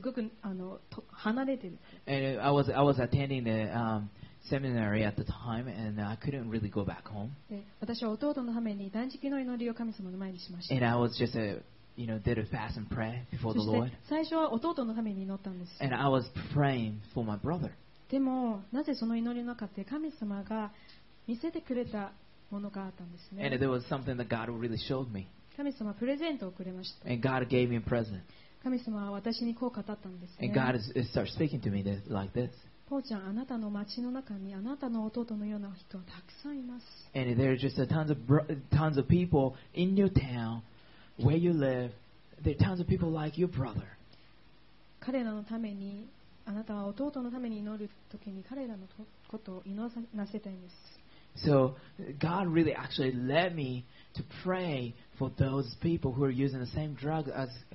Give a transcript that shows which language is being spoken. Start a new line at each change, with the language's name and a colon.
Japanese: すごく離れてる。
English: And I was attending theseminary at the time, and I couldn't really go back home. And I was just a, you know, did a fast and pray before the Lord.
Japanese: 最初は弟のために祈ったんです。
English: And I was praying for my brother.
Japanese: でもなぜその祈りの中で神様が見せてくれたものがあったんですね。
English: And there was something that God really showed me.
Japanese: 神様はプレゼントをくれました。
English: And God gave me a present.
Japanese: 神様は私にこう語ったんですね。
English: And God started speaking to me like this.
Japanese: ポーちゃん、あなたの町の中にあなたの弟のような人はたくさんいます。
English: And there are just tons of people in your town where you live. There are tons of people like your brother.
Japanese: 彼らのためにあなたは弟のために祈るときに彼らのことを祈らなせたいんです。
English: So God really actually led me to pray for those people who are using the same drug as.